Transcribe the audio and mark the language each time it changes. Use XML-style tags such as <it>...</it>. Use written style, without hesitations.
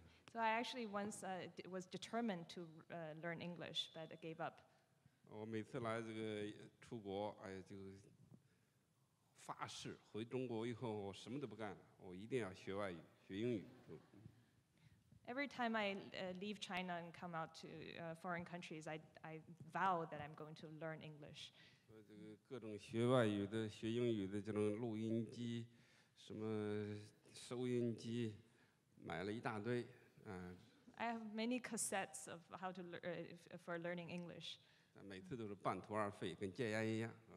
<en>So I actually once was determined to learn English, but I gave up.</en> <zh>我每次来这个出国，哎呀就。发誓回中国以后，我什么都不干了，我一定要学外语，学英语。</zh> <en>Every time I leave China and come out to foreign countries, I vow that I'm going to learn English.</en> <zh>这个各种学外语的、学英语的这种录音机、什么收音机，买了一大堆。</zh> <en>I have many cassettes of how to learn for learning English.</en> <zh>每次都是半途而废，跟戒烟一样。</zh>